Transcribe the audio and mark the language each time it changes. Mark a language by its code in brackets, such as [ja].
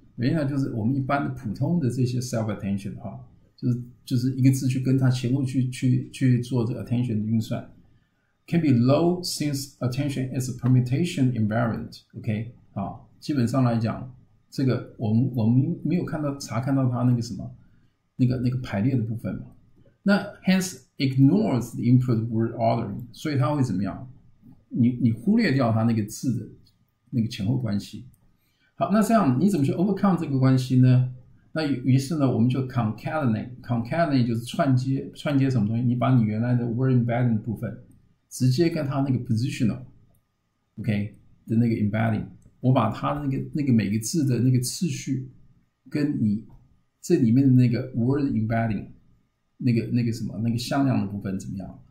[zh] vanilla 就是我们一般的普通的这些 self-attention， 就是一个字去跟它前后去做这个 attention 的运算。 [en] Can be low since attention is a permutation invariant， [zh] OK， 好，基本上来讲，这个我们没有查看到它那个什么，那个排列的部分嘛。那 [en] hence ignores the input word ordering， [zh] 所以它会怎么样？你忽略掉它那个字的那个前后关系。好，那这样你怎么去 overcome 这个关系呢？那于是呢，我们就 concatenate 就是串接什么东西？你把你原来的 word embedding 的部分，直接跟它那个 positional， OK 的那个 embedding， 我把它的那个每个字的那个次序，跟你这里面的那个 word embedding， 那个什么那个向量的部分怎么样？